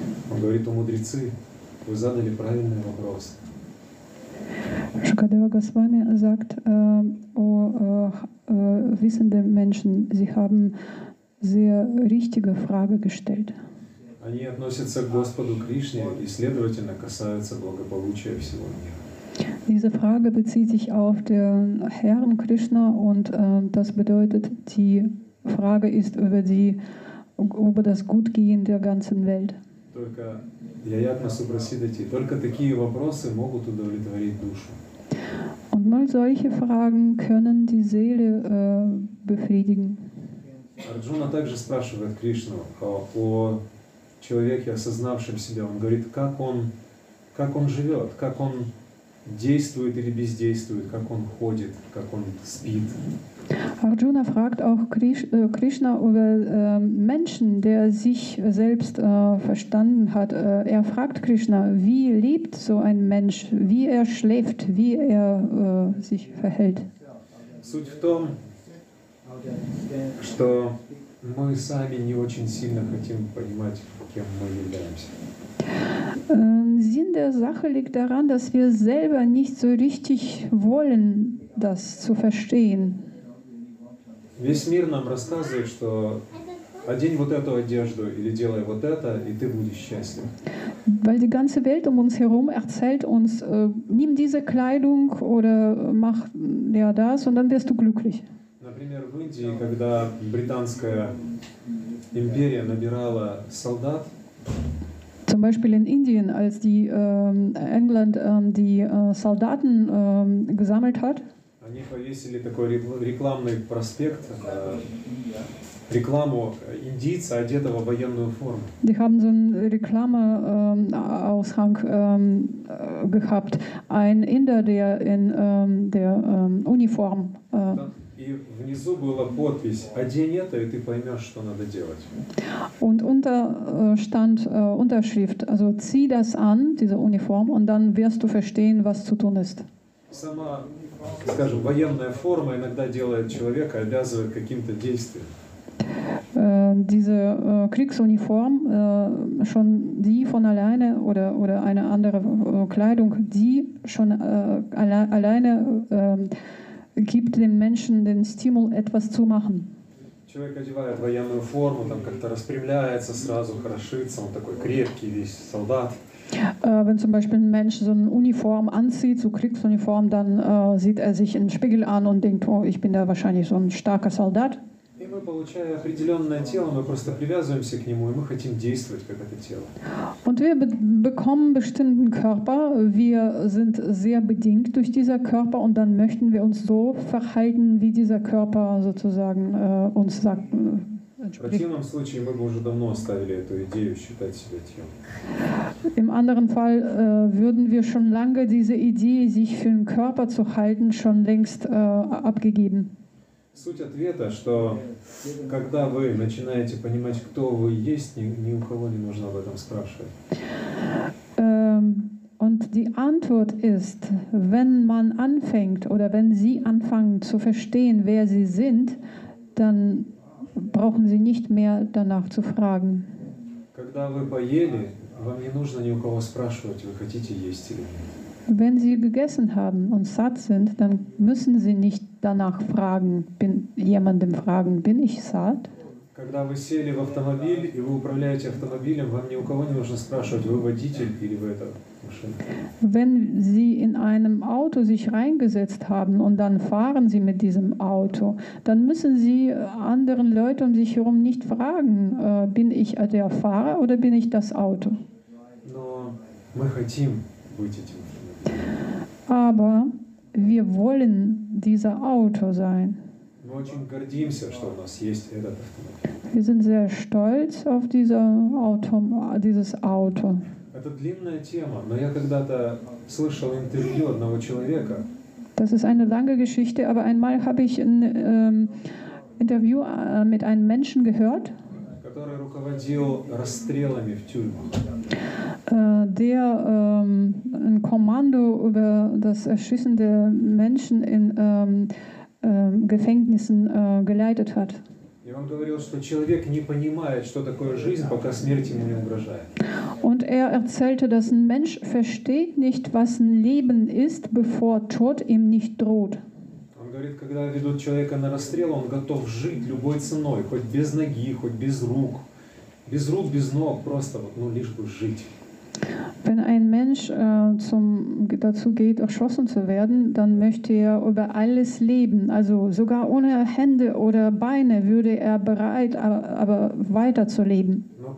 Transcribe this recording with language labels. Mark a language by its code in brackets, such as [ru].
[ru] Он говорит: о мудрецы, вы задали правильный вопрос. [de] Шукадева Госвами sagt, о wissenden Menschen, sie haben sehr richtige Frage gestellt. [ru] Они относятся к Господу Кришне и, следовательно, касаются благополучия всего мира. [de] Diese Frage bezieht sich auf den Herrn Krishna und das bedeutet, die Frage ist über die über das Gutgehen der ganzen Welt. [ru] Только [sa] яятна супрасидати. [ru] Только такие вопросы могут удовлетворить душу. [de] Und nur solche Fragen können die Seele befriedigen. [ru] Арджуна также спрашивает Кришну о человеке, осознавшем себя. Он говорит, как он живет, как он действует или бездействует, как он ходит, как он спит. [de] Арджуна fragt auch Кришна über Menschen, der sich selbst verstanden hat. Er fragt Кришна, wie lebt so ein Mensch, wie er schläft, wie er sich verhält. [ru] Суть в том, что мы сами не очень сильно хотим понимать, кем мы являемся. [de] Sinn der Sache liegt daran, dass wir selber nicht so richtig wollen, das zu verstehen. [ru] Весь мир нам рассказывает, что одень вот эту одежду или делай вот это, и ты будешь счастлив. [de] Weil die ganze Welt um uns herum erzählt uns, nimm diese Kleidung oder mach ja das und dann wirst du glücklich. [ru] Например, в Индии, когда британская империя набирала солдат. [de] Zum Beispiel in Indien, als die England die Soldaten gesammelt hat. [ru] Они повесили такой рекламный проспект [de] Reklame Indiz, [ru] одетого в военную форму. [de] Die haben so einen Reklame-Aushang gehabt. Ein Inder, der in der Uniform. [ru] И внизу была подпись: «Одень это, и ты поймешь, что надо делать». [de] Und unter stand Unterschrift, also zieh das an, diese Uniform, und dann wirst du verstehen, was zu tun ist. [ru] Сама, скажем, военная форма иногда делает человека, обязывает каким-то действиям. [de] Diese Kriegsuniform, schon die von alleine oder eine andere Kleidung, die schon alleine gibt dem Menschen den Stimul, etwas zu machen. [ru] Человек одевает военную форму, там как-то распрямляется сразу, хорошится, он такой крепкий весь солдат. [de] Wenn zum Beispiel ein Mensch so eine Uniform anzieht, so Kriegsuniform, dann sieht er sich im Spiegel an und denkt, oh, ich bin da wahrscheinlich so ein starker Soldat. [ru] И мы, получая определенное тело, мы просто привязываемся к нему, и мы хотим действовать, как это тело. [de] Und wir bekommen bestimmten Körper, wir sind sehr bedingt durch dieser Körper, und dann möchten wir uns so verhalten, wie dieser Körper sozusagen uns sagt. [ru] В противном случае мы бы уже давно оставили эту идею считать себя телом. [de] Im anderen Fall würden wir schon lange diese Idee, sich für den Körper zu halten, schon längst abgegeben. [ru] Суть ответа, что когда вы начинаете понимать, кто вы есть, ни у кого не нужно об этом спрашивать. [de] Und die Antwort ist, wenn man anfängt oder wenn Sie anfangen zu verstehen, wer Sie sind, dann brauchen Sie nicht mehr danach zu fragen. [ru] Когда вы поели, вам не нужно ни у кого спрашивать, вы хотите есть или нет. [de] Wenn Sie gegessen haben und satt sind, dann müssen Sie nicht danach fragen, jemandem fragen, bin ich satt? [ru] Когда вы сели в автомобиль и вы управляете автомобилем, вам ни у кого не нужно спрашивать, вы водитель или вы это машина? [de] Wenn Sie in einem Auto sich reingesetzt haben und dann fahren Sie mit diesem Auto, dann müssen Sie anderen Leute um sich herum nicht fragen, bin ich der Fahrer oder bin ich das Auto? [ru] Но мы хотим быть этим. [de] Aber wir wollen dieser Auto sein. [ru] Мы очень гордимся, что у нас есть этот автомобиль. [de] Wir sind sehr stolz auf dieses Auto. [ru] Это длинная тема, но я когда-то слышал интервью одного человека. [de] Das ist eine lange Geschichte, aber einmal habe ich ein Interview mit einem Menschen gehört. [ru] Который руководил расстрелами в тюрьмах. [de] Der ein Kommando über das Erschießen der Menschen in Gefängnissen geleitet hat. [ru] Я вам говорил, что человек не понимает, что такое жизнь, пока смерть ему не угрожает. [de] Und er erzählte, dass ein Mensch versteht nicht, was ein Leben ist, bevor Tod ihm nicht droht. [ru] Он говорит, когда ведут человека на расстрел, он готов жить любой ценой, хоть без ноги, хоть без рук. Без рук, без ног, просто вот, ну, лишь бы жить. [de] Wenn ein Mensch dazu geht, erschossen zu werden, dann möchte er über alles leben. Also sogar ohne Hände oder Beine würde er bereit, aber weiter zu leben.